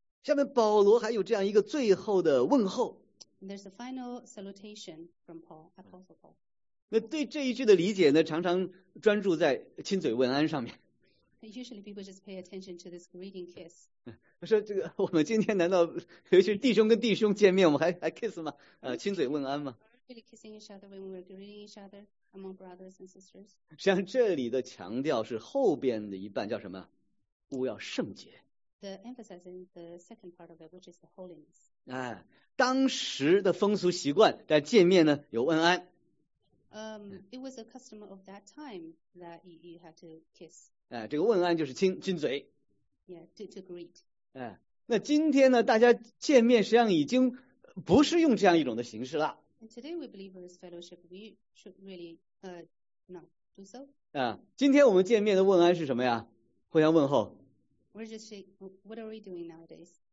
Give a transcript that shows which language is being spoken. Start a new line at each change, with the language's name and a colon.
Chinese: 下面保罗还有这样一个最后的问候
English: there's a final salutation from Paul Apostle Paul
Chinese: 那对这一句的理解呢，常常专注在亲嘴问安上面。
English: Usually people just pay attention to this greeting kiss.
Chinese: 说这个，我们今天难道尤其是弟兄跟弟兄见面，我们还 kiss 吗？亲嘴问安吗
English: ？Are we really kissing each other when we're greeting each other among brothers and sisters?
Chinese: 实际上，这里的强调是后边的一半，叫什么？务要圣洁。
English: The emphasis in the second part of it, which is the holiness.
Chinese: 哎，当时的风俗习惯，但见面呢有问安。
English: It was a custom of that time that you had to kiss.
Chinese: 这个问安就是亲嘴。
English: Yeah, to greet.
Chinese: 那今天呢，大家见面实际上已经不是用这样一种的形式了。
English: And today we believers fellowship, we should really not do so.
Chinese: 今天我们见面的问安是什么呀？互相问候。
English: What are we doing nowadays?